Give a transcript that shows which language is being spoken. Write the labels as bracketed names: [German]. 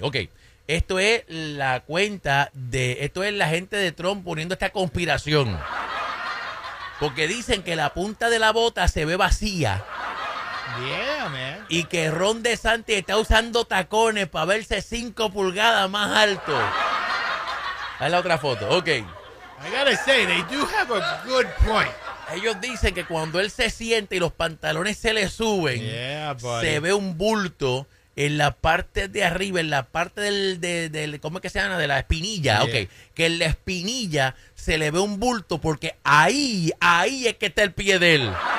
[Spanish] Ok, esto es la cuenta de, esto es la gente de Trump poniendo esta conspiración. Porque dicen que la punta de la bota se ve vacía. [English] Yeah, man. [Spanish] Y que Ron DeSantis está usando tacones para verse 5 pulgadas más alto. Ahí la otra foto, ok. [English] I gotta say, they do have a good point. [Spanish] Ellos dicen que cuando él se siente y los pantalones se le suben, [English] yeah, [Spanish] se ve un bulto en la parte de arriba, en la parte del ¿cómo es que se llama? De la espinilla, yeah. Ok. Que en la espinilla se le ve un bulto porque ahí es que está el pie de él.